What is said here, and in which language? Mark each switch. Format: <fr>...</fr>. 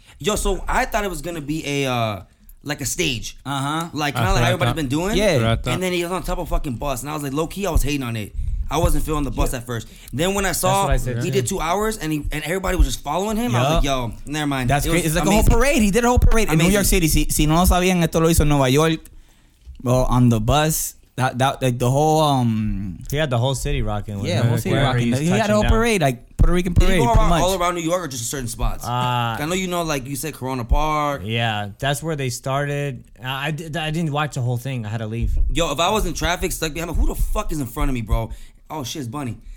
<en>Yo, so I thought it was going to be a... like a stage. Uh-huh. Like kind of like everybody's been doing. Yeah. And then he was on top of a fucking bus. And I was like, low key, I was hating on it. I wasn't feeling the bus at first. Then when I saw did 2 hours and everybody was just following him, I was like, yo, never mind. That's great. It's like a whole parade. He did a whole parade in New York City.</en> <es>Si no lo sabían, esto lo hizo en Nueva York.</es> <en>Well, on the bus. That like the whole he had the whole city rocking with him. Yeah, the whole city rocking. He had a whole parade, like Puerto Rican parade. Did he go around, pretty much all around New York or just certain spots? I know, you know, like you said, Corona Park. Yeah, that's where they started. I didn't watch the whole thing. I had to leave. Yo, if I was in traffic stuck behind me, who the fuck is in front of me, bro? Oh shit, it's Bunny.</en>